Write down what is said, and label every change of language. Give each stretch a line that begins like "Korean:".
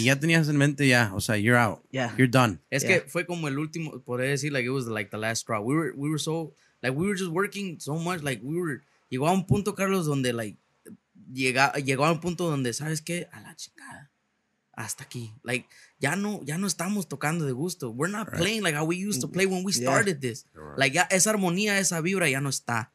Spanish: Y ya tenías en mente ya, o sea,
English: you're out. Yeah. You're done.
Spanish: Es que fue como el último, podría decir,
English: like, it was like the last straw. We were just working so much, like, we were...
Spanish: Llegó a un punto, Carlos, donde, like, llegó a un punto donde, ¿sabes qué? A la chingada. Hasta aquí. Like, ya no estamos tocando de gusto.
English: We're not playing like how we used to play when we started this.
Spanish: Like, ya esa armonía, esa vibra ya no está.